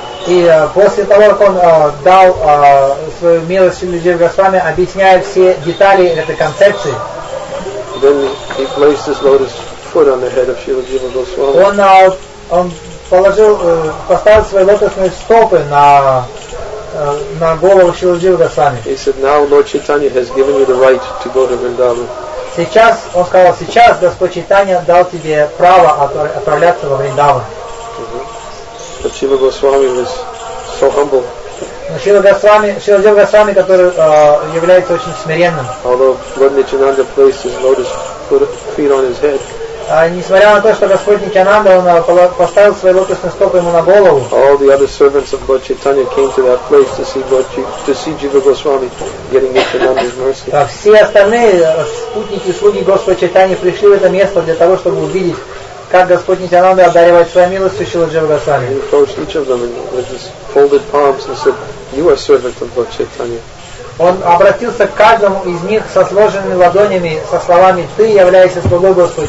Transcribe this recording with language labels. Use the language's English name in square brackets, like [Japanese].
[Russian] И после того, как он дал свою милость Шрила Джива Госвами, объясняя все детали этой концепции, [English] then he placed his lotus foot on the head of Shrila Jiva Goswami. [Russian] Он положил, поставил свои лотосные стопы на голову Шрила Джива Госвами. [English] He said, now Lord Chaitanya has given you the right to go to Vrindavan. [Russian] Сейчас, он сказал, сейчас Господь Чайтанья дал тебе право отправляться во Вриндаван. [English] But Shiva Goswami was so humble. [Russian] Но Шрила Джива Госвами, который является очень смиренным. [English] Although Lord Nityananda placed his lotus feet on his head. [Russian] Несмотря на то, что Господь Нитянанда поставил свои лотосные стопы ему на голову. [English] All the other servants of Lord Chaitanya came to that place to see Jiva Goswami getting Nityananda's mercy. [Russian] Так, все остальные спутники, слуги Господа Чайтанья пришли в это место для того, чтобы увидеть, как Господь Нитянанда одаривает свою милость Шрила Джива Госвами. [English] He approached each of them with his folded palms and said, "You are servant of Lord Chaitanya." [Russian] Он обратился к каждому из них со сложенными ладонями, со словами «Ты являешься слугой Господа